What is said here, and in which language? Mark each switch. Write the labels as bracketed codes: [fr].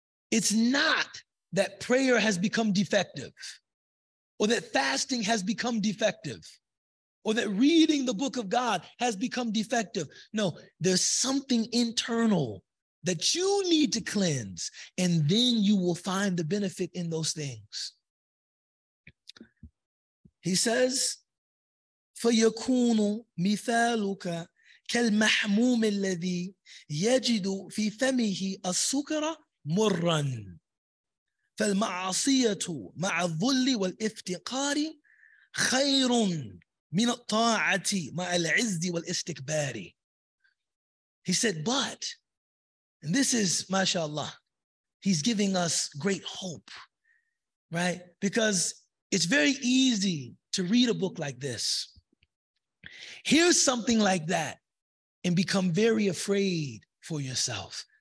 [en] It's not that prayer has become defective, or that fasting has become defective, or that reading the book of God has become defective. No, there's something internal that you need to cleanse, and then you will find the benefit in those things. He says, [ar] فَيَكُونُ مِثَالُكَ كالمحموم الذي يجد في فمه السكر مرا فالمعصية مع الذل والافتقار خير من الطاعة مع العز والاستكبار. [en] He said, but, and this is, mashallah, he's giving us great hope, right? Because it's very easy to read a book like this. Here's something like that. And become very afraid for yourself.